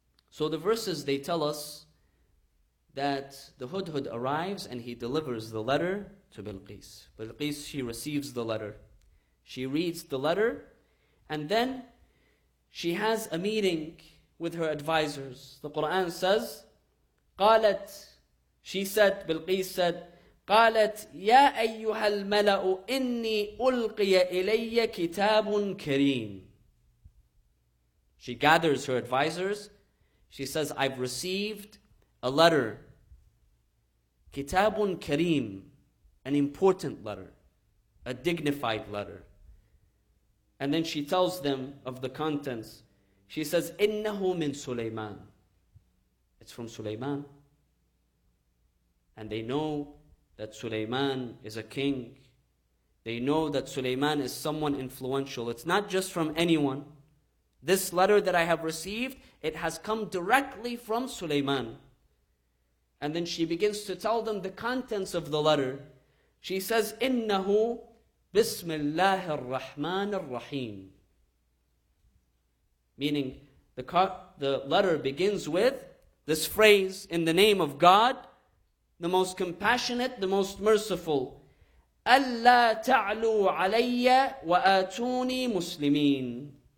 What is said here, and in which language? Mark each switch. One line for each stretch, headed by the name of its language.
English: So the verses, they tell us that the hudhud arrives and he delivers the letter to Bilqis. Bilqis, she receives the letter. She reads the letter, and then she has a meeting with her advisors. The Quran says,
Arabic: قالت,
English: she said, Bilqis said,
Arabic: قالت يا أيها الملأ إني ألقي إلي كتاب كريم.
English: She gathers her advisors. She says, I've received a letter.
Arabic: كتاب كريم,
English: an important letter, a dignified letter. And then she tells them of the contents. She says,
Arabic: إِنَّهُ مِن سُلَيْمَان.
English: It's from Sulaiman. And they know that Sulaiman is a king. They know that Sulaiman is someone influential. It's not just from anyone. This letter that I have received, it has come directly from Sulaiman. And then she begins to tell them the contents of the letter. She says,
Arabic: إِنَّهُ بسم الله الرحمن الرحيم.
English: Meaning, the letter begins with this phrase, in the name of God, the most compassionate, the most merciful.
Arabic: أَلَّا تَعْلُوا عَلَيَّ وَآتُونِي مُسْلِمِينَ.